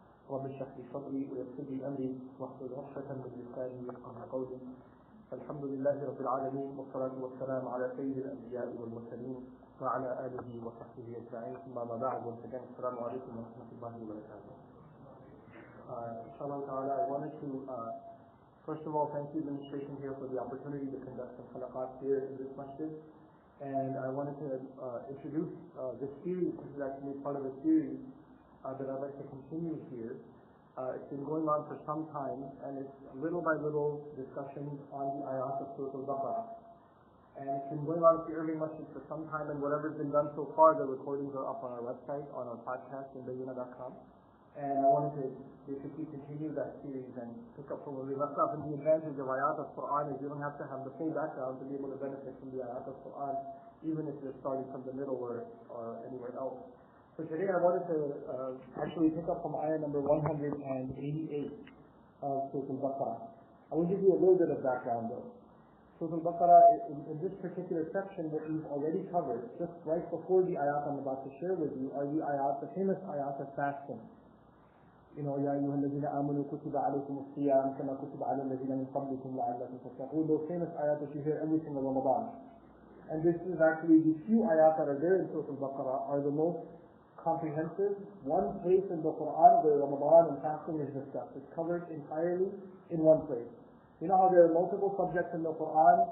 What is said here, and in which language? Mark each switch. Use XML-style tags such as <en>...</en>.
<ar>رب اشرح لي صدري ويسر لي أمري واحلل عقدة من لساني يفقهوا قولي. الحمد لله رب العالمين والصلاة والسلام على سيد الأنبياء والمرسلين وعلى آله وصحبه أجمعين. ثم بعد، السلام عليكم ورحمة الله وبركاته.</ar> <en>Inshallah ta'ala, I wanted to first of all thank the administration here for the opportunity to conduct some khalaqat here in this masjid. And I wanted to introduce this series. This is actually part of a series that I'd like to continue here. It's been going on for some time, and it's little by little discussions on the ayat of Surah Al-Baqarah. And it's been going on at the early masjid for some time, and whatever's been done so far, the recordings are up on our website, on our podcast, in bayuna.com. And I wanted to basically continue that series and pick up from where we left off. And the advantage of ayat of Quran is you don't have to have the same background to be able to benefit from the ayat of Quran, even if you're starting from the middle or anywhere else. So today I wanted to actually pick up from ayah number 188 of Surah Al-Baqarah. I will give you a little bit of background though. Surah Al-Baqarah, in this particular section that we've already covered, just right before the ayat I'm about to share with you, are the ayat, the famous ayat of fasting.</en> <ar>You know, يَا أَيُّهَا الَّذِينَ آمَنُوا كُتِبَ عَلَيْكُمُ الصِّيَامُ كَمَا كُتِبَ عَلَى الَّذِينَ مِنْ قَبْلِكُمْ لَعَلَّكُمْ تَتَّقُونَ.</ar> <en>Those famous ayat that you hear every single Ramadan. And this is actually the few ayat that are there in Surah Al-Baqarah are the most comprehensive, one place in the Quran where Ramadan and fasting is discussed. It's covered entirely in one place. You know how there are multiple subjects in the Quran?</en>